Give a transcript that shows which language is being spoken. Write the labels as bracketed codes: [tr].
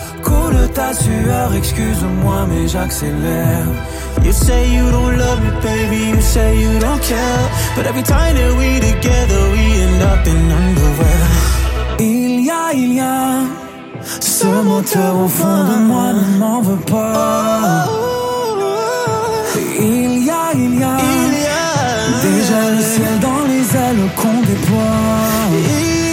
[fr] Coule ta sueur, excuse-moi mais j'accélère. [en] You say you don't love me baby, you say you don't care. But every time that we together we end up in underwear. [fr] Il y a ce moteur au fond de moi ne m'en veut pas. Il y a déjà le ciel dans les ailes qu'on déploie.